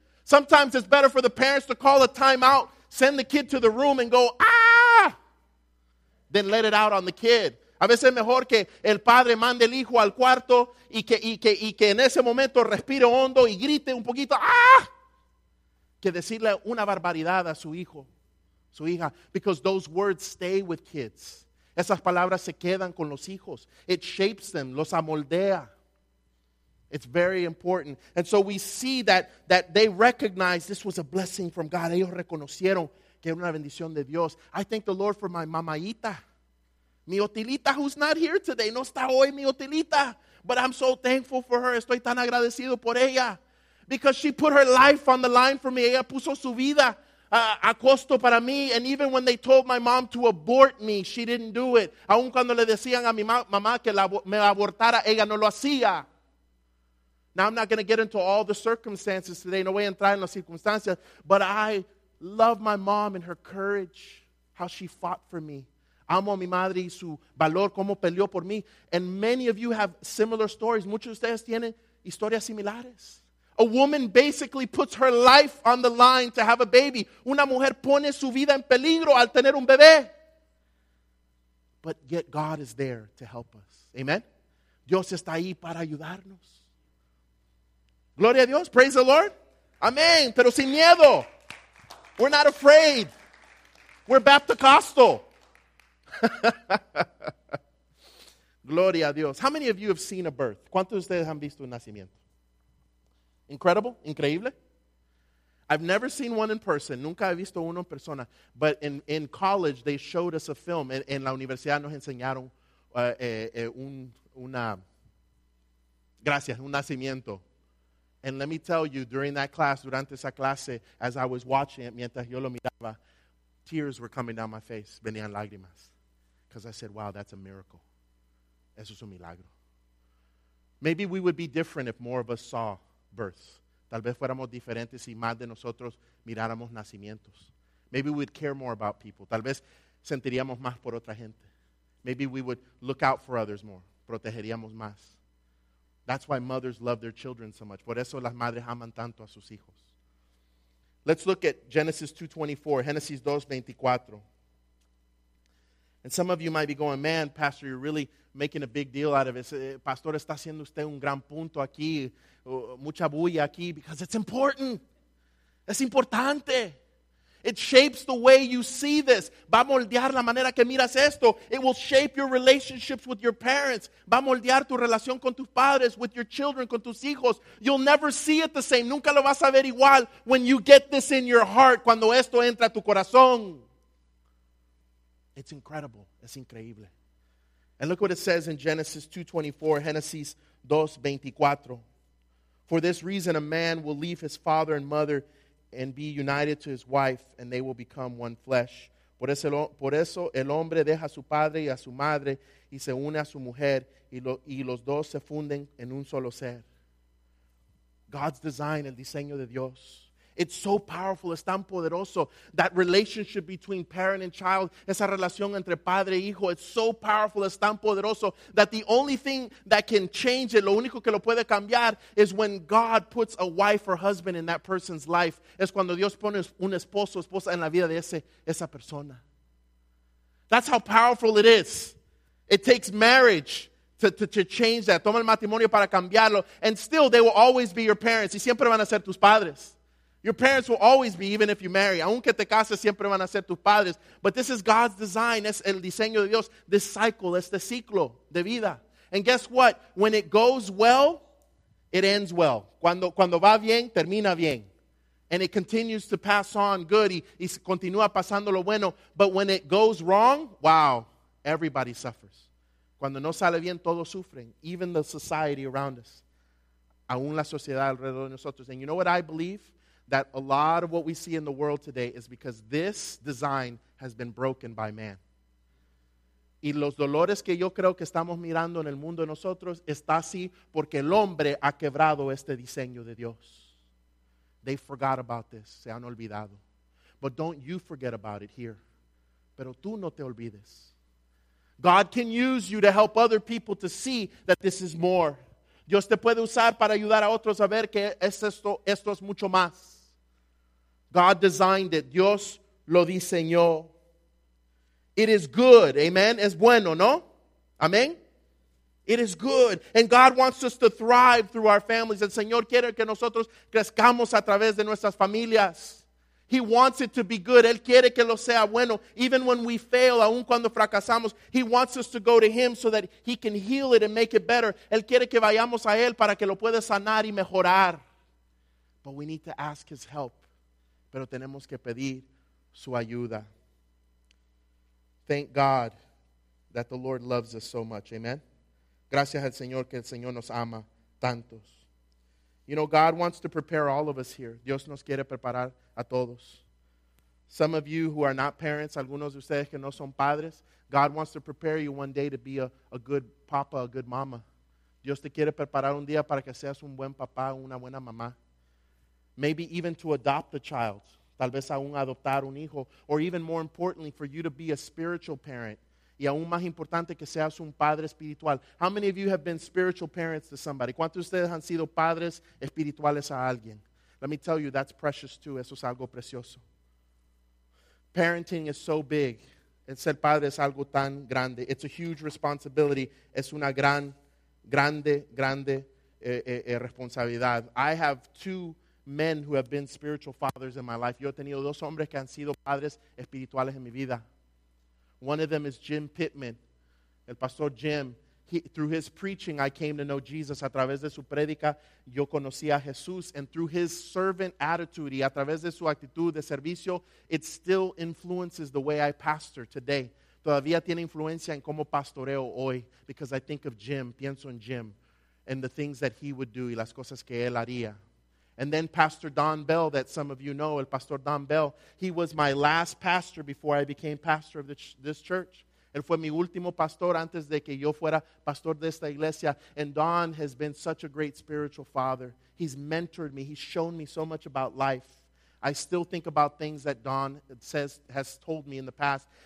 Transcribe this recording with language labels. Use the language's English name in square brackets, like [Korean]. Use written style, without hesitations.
[English] Sometimes it's better for the parents to call a timeout, send the kid to the room and go, ah, than let it out on the kid. [Spanish] A veces es mejor que el padre mande el hijo al cuarto y que en ese momento respire hondo y grite un poquito, ah, que decirle una barbaridad a su hijo. Su hija, [English] because those words stay with kids. [Spanish] Esas palabras se quedan con los hijos. [English] It shapes them, [Spanish] los amoldea. [English] It's very important. And so we see that they recognize this was a blessing from God. [Spanish] Ellos reconocieron que era una bendición de Dios. [English] I thank the Lord for my mamaita. Mi otilita who's not here today. [Spanish] No está hoy mi otilita. [English] But I'm so thankful for her. [Spanish] Estoy tan agradecido por ella. [English] Because she put her life on the line for me. [Spanish] Ella puso su vida. A costo para mí, [English] and even when they told my mom to abort me, she didn't do it. [Spanish] Aun cuando le decían a mi mamá que me abortara, ella no lo hacía. [English] Now I'm not going to get into all the circumstances today. [Spanish] No voy a entrar en las circunstancias. [English] But I love my mom and her courage, how she fought for me. [Spanish] Amo a mi madre y su valor, cómo peleó por mí. [English] And many of you have similar stories. [Spanish] Muchos de ustedes tienen historias similares. [English] A woman basically puts her life on the line to have a baby. [Spanish] Una mujer pone su vida en peligro al tener un bebé. [English] But yet God is there to help us. [Spanish] Amen? Dios está ahí para ayudarnos. Gloria a Dios. [English] Praise the Lord. [Spanish] Amen. Pero sin miedo. [English] We're not afraid. We're Baptocostal. [Spanish] Gloria a Dios. [English] How many of you have seen a birth? [Spanish] ¿Cuántos de ustedes han visto un nacimiento? Incredible, increíble. [English] I've never seen one in person. [Spanish] Nunca he visto uno en persona. [English] But in college, they showed us a film. [Spanish] En la universidad nos enseñaron un nacimiento. [English] And let me tell you, during that class, [Spanish] durante esa clase, [English] as I was watching it, [Spanish] mientras yo lo miraba, [English] tears were coming down my face. [Spanish] Venían lágrimas. [English] Because I said, wow, that's a miracle. [Spanish] Eso es un milagro. [English] Maybe we would be different if more of us saw births. [Spanish] Tal vez fuéramos diferentes si más de nosotros miráramos nacimientos. [English] Maybe we'd care more about people. [Spanish] Tal vez sentiríamos más por otra gente. [English] Maybe we would look out for others more. [Spanish] Protegeríamos más. [English] That's why mothers love their children so much. [Spanish] Por eso las madres aman tanto a sus hijos. [English] Let's look at Genesis 2:24. And some of you might be going, man, pastor, you're really making a big deal out of it. [Spanish] Pastor, está haciendo usted un gran punto aquí. Mucha bulla aquí, [English] because it's important. [Spanish] Es importante. [English] It shapes the way you see this. [Spanish] Va a moldear la manera que miras esto. [English] It will shape your relationships with your parents. [Spanish] Va a moldear tu relación con tus padres, [English] with your children, [Spanish] con tus hijos. [English] You'll never see it the same. [Spanish] Nunca lo vas a ver igual [English] when you get this in your heart, [Spanish] cuando esto entra a tu corazón. [English] It's incredible. [Spanish] Es increíble. [English] And look what it says in Genesis 2:24. For this reason, a man will leave his father and mother and be united to his wife, and they will become one flesh. [Spanish] Por eso el hombre deja a su padre y a su madre y se une a su mujer, y los dos se funden en un solo ser. [English] God's design, [Spanish] el diseño de Dios. [English] It's so powerful, [Spanish] es tan poderoso. [English] That relationship between parent and child, [Spanish] esa relación entre padre e hijo, [English] it's so powerful, [Spanish] es tan poderoso, [English] that the only thing that can change it, [Spanish] lo único que lo puede cambiar, [English] is when God puts a wife or husband in that person's life. [Spanish] Es cuando Dios pone un esposo o esposa en la vida de esa persona. [English] That's how powerful it is. It takes marriage to change that. [Spanish] Toma el matrimonio para cambiarlo. [English] And still, they will always be your parents. [Spanish] Y siempre van a ser tus padres. [English] Your parents will always be, even if you marry. [Spanish] Aunque te cases, siempre van a ser tus padres. [English] But this is God's design. [Spanish] Es el diseño de Dios. [English] This cycle, [Spanish] este ciclo de vida. [English] And guess what? When it goes well, it ends well. [Spanish] Cuando va bien, termina bien. [English] and it continues to pass on good, [Spanish] y continúa pasando lo bueno. [English] But when it goes wrong, wow, everybody suffers. [Spanish] Cuando no sale bien, todos sufren. [English] Even the society around us. [Spanish] Aún la sociedad alrededor de nosotros. [English] And you know what I believe? That a lot of what we see in the world today is because this design has been broken by man. [Spanish] Y los dolores que yo creo que estamos mirando en el mundo de nosotros está así porque el hombre ha quebrado este diseño de Dios. [English] They forgot about this. [Spanish] Se han olvidado. [English] But don't you forget about it here. [Spanish] Pero tú no te olvides. [English] God can use you to help other people to see that this is more. [Spanish] Dios te puede usar para ayudar a otros a ver que es esto, esto es mucho más. [English] God designed it. [Spanish] Dios lo diseñó. [English] It is good. Amen. [Spanish] Es bueno, ¿no? [English] Amen. It is good. And God wants us to thrive through our families. [Spanish] El Señor quiere que nosotros crezcamos a través de nuestras familias. [English] He wants it to be good. Él quiere que lo sea bueno. Even when we fail, [Spanish] aun cuando fracasamos, [English] He wants us to go to Him so that He can heal it and make it better. [Spanish] Él quiere que vayamos a Él para que lo pueda sanar y mejorar. [English] But we need to ask His help. [Spanish] Pero tenemos que pedir su ayuda. [English] Thank God that the Lord loves us so much. Amen. [Spanish] Gracias al Señor que el Señor nos ama tantos. [English] You know, God wants to prepare all of us here. [Spanish] Dios nos quiere preparar a todos. [English] Some of you who are not parents, [Spanish] algunos de ustedes que no son padres, [English] God wants to prepare you one day to be a good papa, a good mama. [Spanish] Dios te quiere preparar un día para que seas un buen papá, una buena mamá. [English] Maybe even to adopt a child. [Spanish] Tal vez aún adoptar un hijo. [English] Or even more importantly, for you to be a spiritual parent. [Spanish] Y aún más importante que seas un padre espiritual. [English] How many of you have been spiritual parents to somebody? [Spanish] ¿Cuántos de ustedes han sido padres espirituales a alguien? [English] Let me tell you, that's precious too. [Spanish] Eso es algo precioso. [English] Parenting is so big. [Spanish] El ser padre es algo tan grande. [English] It's a huge responsibility. [Spanish] Es una gran, grande, grande responsabilidad. [English] I have two men who have been spiritual fathers in my life. [Spanish] Yo he tenido dos hombres que han sido padres espirituales en mi vida. [English] One of them is Jim Pittman. El pastor Jim, through his preaching, I came to know Jesus. [Spanish] A través de su predica, yo conocí a Jesús. [English] And through his servant attitude, [Spanish] y a través de su actitud de servicio, [English] it still influences the way I pastor today. [Spanish] Todavía tiene influencia en cómo pastoreo hoy. [English] Because I think of Jim, [Spanish] pienso en Jim, [English] and the things that he would do [Spanish] y las cosas que él haría. [English] And then Pastor Don Bell, that some of you know, el Pastor Don Bell, he was my last pastor before I became pastor of this church. [Spanish] Él fue mi último pastor antes de que yo fuera pastor de esta iglesia. [English] And Don has been such a great spiritual father. He's mentored me. He's shown me so much about life. I still think about things that Don has told me in the past.